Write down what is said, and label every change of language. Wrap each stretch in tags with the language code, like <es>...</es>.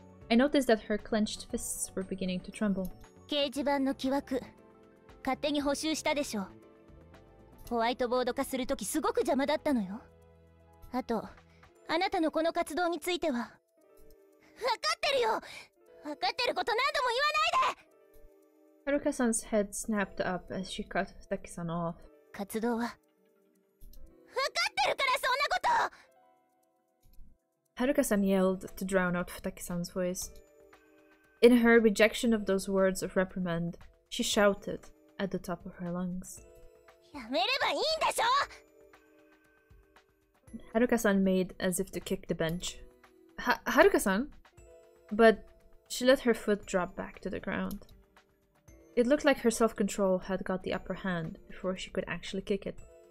<en>I noticed that her clenched fists were beginning to tremble.</en> <ja>掲示板の木枠、勝手に補修したでしょう。ホワイトボード化するときすごく邪魔だったのよ。あと、あなたのこの活動については。わかってるよ。わかってること何度も言わないで。</ja> <en>Haruka-san's head snapped up as she cut Futaki-san off.</en> <ja>活動は。わかってるからそんなこと。</ja> <en>Haruka-san yelled to drown out Futaki-san's voice. In her rejection of those words of reprimand, she shouted at the top of her lungs.</en> <ja>やめればいいんでしょ。</ja> <en>Haruka-san made as if to kick the bench. Haruka-san? But she let her foot drop back to the ground. It looked like her self-control had got the upper hand before she could actually kick it.</en>